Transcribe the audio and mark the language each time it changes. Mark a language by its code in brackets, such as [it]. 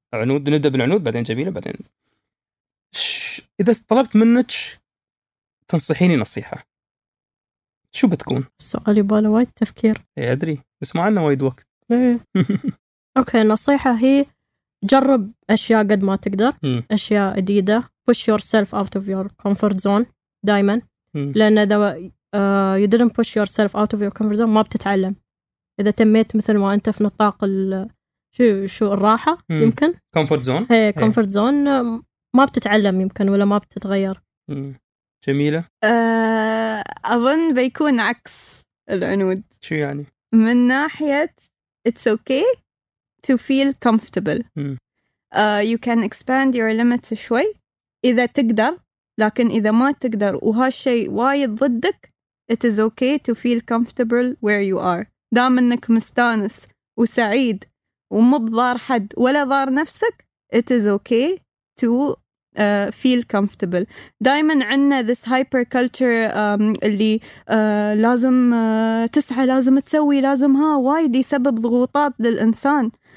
[ar] عنود، نبدأ بالعنود بعدين جميلة بعدين. إذا طلبت منك تنصحيني نصيحة، شو بتكون؟ السؤال يباله وايد تفكير. إيه أدري، بس ما عندنا وايد وقت. إيه. أوكي نصيحة هي جرب أشياء قد ما تقدر. أشياء جديدة. [en] push yourself out of your comfort zone [ar] دائما. لأن إذا [en] you didn't push yourself out of your comfort zone [ar] ما بتتعلم. إذا تميت مثل ما أنت في نطاق شو الراحة يمكن [en] comfort zone. [ar] هي comfort zone ما بتتعلم يمكن ولا ما بتتغير. جميلة. أظن بيكون عكس العنود. شو يعني؟ من ناحية [en] it's okay to feel comfortable. You can expand your limits [ar] شوي إذا تقدر، لكن إذا ما تقدر وهالشيء وايد ضدك [en] It is okay to feel comfortable where you are. [ar] دام انك مستانس وسعيد ومو بضار حد ولا ضار نفسك، [en] It is okay to feel comfortable. [ar] دائما عندنا [en] this hyper culture [ar] اللي لازم تسعى لازم تسوي لازم ها وايد يسبب ضغوطات للإنسان.